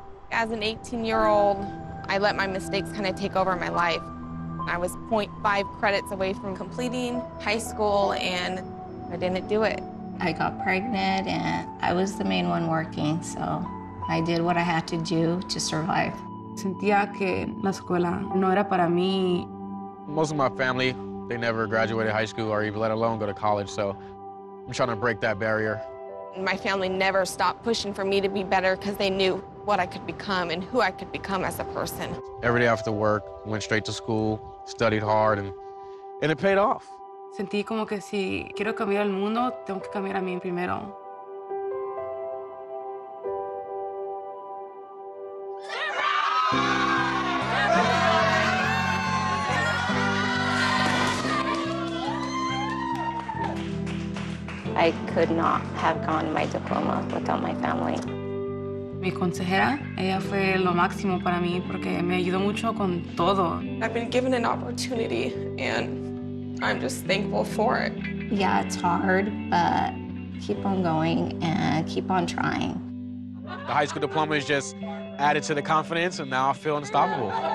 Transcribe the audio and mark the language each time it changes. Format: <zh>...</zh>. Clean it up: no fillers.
<en>As an 18-year-old, I let my mistakes kind of take over my life. I was 0.5 credits away from completing high school, and I didn't do it. I got pregnant, and I was the main one working, so I did what I had to do to survive.</en> <es>Sentía que la escuela no era para mí.</es> <en>Most of my family, they never graduated high school or even let alone go to college, so I'm trying to break that barrier. My family never stopped pushing for me to be better because they knew what I could become and who I could become as a person. Every day after work, went straight to school, studied hard, and it paid off.</en> <es>Sentí como que si quiero cambiar el mundo, tengo que cambiar a mí primero.</es> <en>I could not have gotten my diploma without my family.</en> <es>Mi consejera, ella fue lo máximo para mí porque me ayudó mucho con todo.</es> <en>I've been given an opportunity, and I'm just thankful for it. Yeah, it's hard, but keep on going and keep on trying. The high school diploma has just added to the confidence, and now I feel unstoppable.</en>